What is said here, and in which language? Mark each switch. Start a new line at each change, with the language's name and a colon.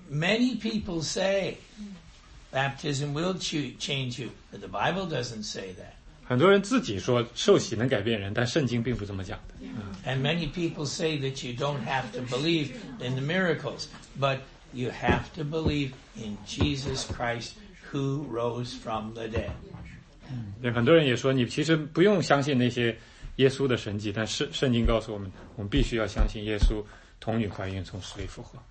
English: Many people say baptism will change you, but the Bible doesn't say that.
Chinese: 很多人自己说受洗能改变人，但圣经并不这么讲的。
English: And many people say that you don't have to believe in the miracles, but you have to believe in Jesus Christ who rose from the dead.
Chinese: 对，很多人也说你其实不用相信那些耶稣的神迹，但是圣经告诉我们，我们必须要相信耶稣童女怀孕从死里复活。